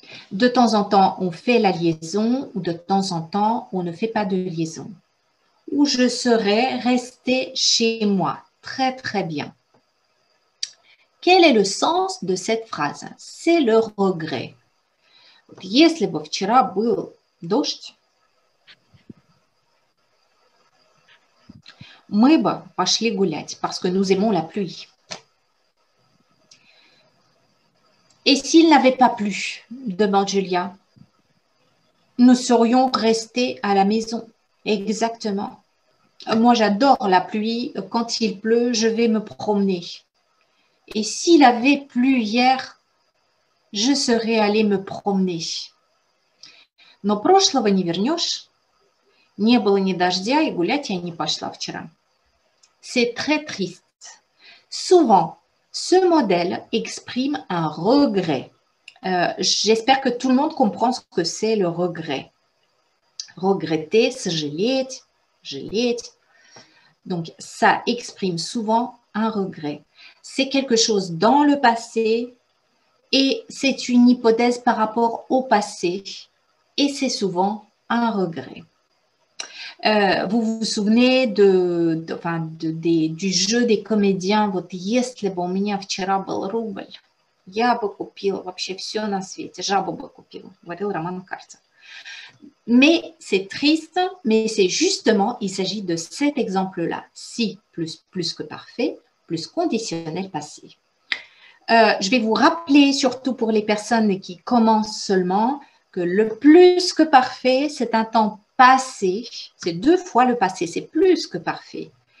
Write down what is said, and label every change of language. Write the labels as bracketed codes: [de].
[fr] De temps en temps, on fait la liaison ou de temps en temps, on ne fait pas de liaison. Ou je serais resté chez moi. Très, très bien. Quel est le sens de cette phrase? C'est le regret. [ru] Если бы вчера был дождь, мы бы пошли гулять, [fr] parce que nous aimons la pluie. Et s'il n'avait pas plu, demande Julia, nous serions restés à la maison. Exactement. Moi, j'adore la pluie. Quand il pleut, je vais me promener. Et s'il avait plu hier, je serais allée me promener. [ru] Но прошлого не вернешь. Не было ни дождя, и гулять я не пошла вчера. [fr] C'est très triste. Souvent, ce modèle exprime un regret. J'espère que tout le monde comprend ce que c'est le regret. Regretter, [ru] сожалеть, жалеть. [fr] Donc, ça exprime souvent un regret. C'est quelque chose dans le passé et c'est une hypothèse par rapport au passé et c'est souvent un regret. Vous vous souvenez du jeu des comédiens, [ru] вот если бы у меня вчера был рубль, я бы купил вообще все на свете, жабу бы купил, говорил Роман Карцев. [fr] Mais c'est triste, mais c'est justement, il s'agit de cet exemple-là, si plus que parfait, plus conditionnel passé. Je vais vous rappeler, surtout pour les personnes qui commencent seulement, que le plus que parfait, c'est un temps passé, c'est deux fois le passé, c'est plus que parfait.